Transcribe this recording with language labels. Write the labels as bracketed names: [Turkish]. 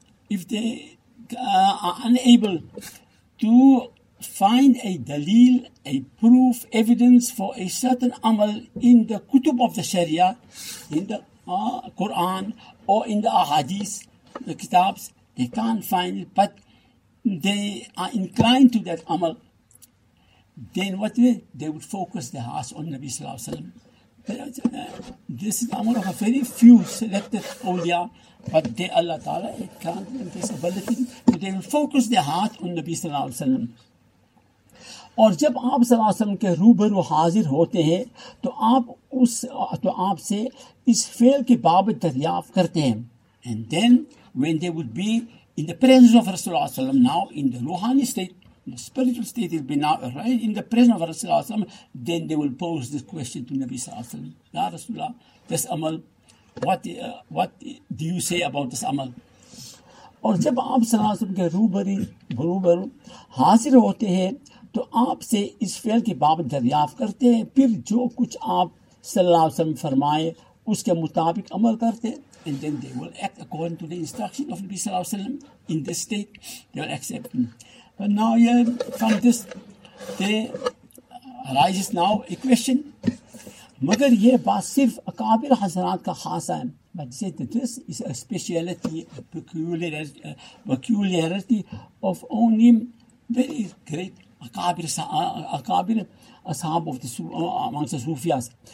[English] If they are unable to find a dalil, a proof, evidence for a certain amal in the kutub of the sharia, in the Quran or in the Ahadith, the kitabs, they can't find it, but they are inclined to that amal, then what they would focus their hearts on Nabi Sallallahu Alaihi Wasallam. This is amal of a very few selected awliya, but they Allah Ta'ala, it can't be invisibility, but they will focus their heart on Nabi Sallallahu Alaihi Wasallam. [Urdu] اور جب آپ صلی اللہ علیہ وسلم کے روبرو حاضر ہوتے ہیں تو آپ سے اس فعل کے بابت دریافت کرتے ہیں. [English] And then when they would be in the presence of رسول اللہ علیہ وسلم, now in the روحانی state, the spiritual state will be now right in the presence of رسول اللہ علیہ وسلم, then they will pose this question to نبی صلی اللہ علیہ وسلم, یا رسول اللہ, this عمل, what do you say about this عمل. [Urdu] اور جب آپ صلی اللہ علیہ وسلم کے روبرو حاضر ہوتے ہیں تو آپ سے اس فعل کے بابت دریافت کرتے ہیں, پھر جو کچھ آپ صلی اللہ علیہ وسلم فرمائے اس کے مطابق عمل کرتے ہیں. [English] And then they will act according to the instruction of Nabi Sallallahu Alaihi Wasallam. In this state, they will accept. But now, from this, there arises now a question. [Urdu] مگر یہ بات صرف اکابر حضرات کا خاصا ہے. [English] But they said that this is a speciality, a peculiarity of only very great اکابر اصحاب amongst the Sufis.